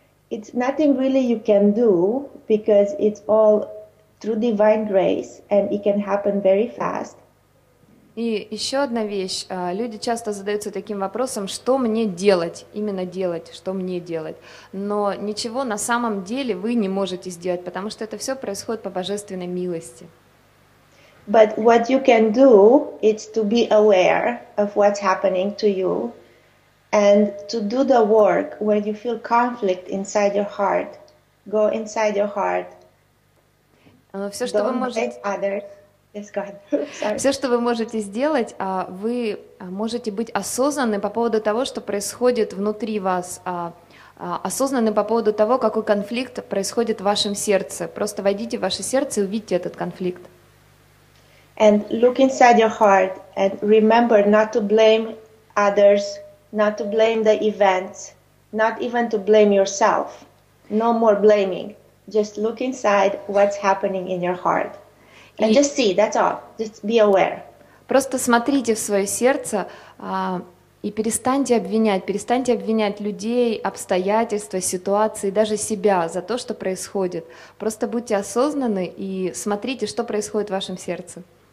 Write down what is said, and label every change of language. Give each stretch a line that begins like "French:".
English: It's nothing really you can do, because it's all through divine grace and it can happen very fast.
Russian: И еще одна вещь. Люди часто задаются таким вопросом, что мне делать? Именно делать, что мне делать? Но ничего на самом деле вы не можете сделать, потому что это все происходит по божественной милости.
English: But what you can do is to be aware of what's happening to you and to do the work when you feel conflict inside your heart. Go inside your heart.
Russian: Все, что
English: Don't
Russian: вы можете...
English: hate others. Yes, go ahead. Sorry.
Russian: Все, что вы можете сделать, вы можете быть осознанны по поводу того, что происходит внутри вас. Осознанны по поводу того, какой конфликт происходит в вашем сердце. Просто войдите в ваше сердце и увидите этот конфликт.
English: And look inside your heart and remember not to blame others, not to blame the events, not even to blame yourself. No more blaming. Just look inside what's happening in your heart. And just see, that's all. Just be aware.
Russian: Просто смотрите в свое сердце и перестаньте обвинять людей, обстоятельства, ситуации, даже себя за то, что происходит. Просто будьте осознанны и смотрите, что происходит в вашем сердце.